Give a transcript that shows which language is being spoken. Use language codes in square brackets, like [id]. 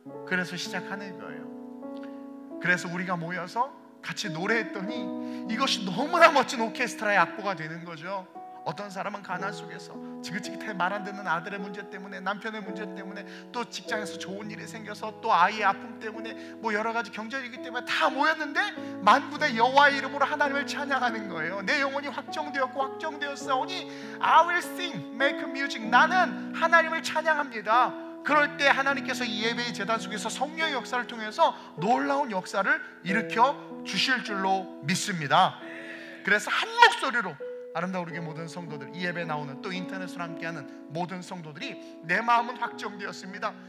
[ko] 그래서 시작하는 거예요. 그래서 우리가 모여서 같이 노래했더니 이것이 너무나 멋진 오케스트라의 악보가 되는 거죠. 어떤 사람은 가난 속에서 지긋지긋해 말 안 듣는 아들의 문제 때문에 남편의 문제 때문에 또 직장에서 좋은 일이 생겨서 또 아이의 아픔 때문에 뭐 여러 가지 경제적이기 때문에 다 모였는데 만군의 여호와의 이름으로 하나님을 찬양하는 거예요. 내 영혼이 확정되었고 확정되었사오니 [en] I will sing, make music. [ko] 나는 하나님을 찬양합니다. 그럴 때 하나님께서 이 예배의 제단 속에서 성령의 역사를 통해서 놀라운 역사를 일으켜 주실 줄로 믿습니다. 그래서 한 목소리로 아름다우게 모든 성도들, 이 예배 나오는 또 인터넷으로 함께하는 모든 성도들이 내 마음은 확정되었습니다.